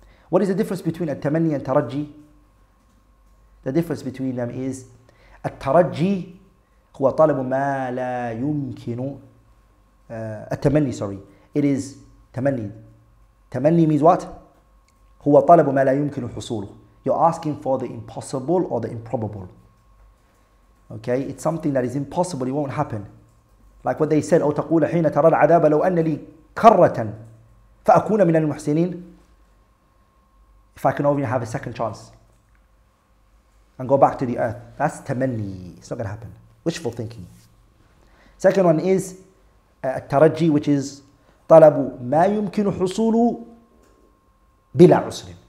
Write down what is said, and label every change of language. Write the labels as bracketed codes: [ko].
[en] What is the difference between التمني and تَرَجِّي? The difference between them is [ar] التَرَجِّي هو طلب ما لا يمكن التمني, [en] sorry. It is [ar] تمني. تمني [en] means what? [ar] هو طلب ما لا يمكن حصوله. [en] You're asking for the impossible or the improbable. Okay, it's something that is impossible, it won't happen. Like what they said, [ar] أو تقول حين ترى العذاب لو أن لي كرة فأكون من المحسنين. [en] If I can only have a second chance and go back to the earth, that's تمني. It's not going to happen. Wishful thinking. Second one is التَّرَجِّي, which is [ar] طلب ما يمكن حصوله بلا عسر.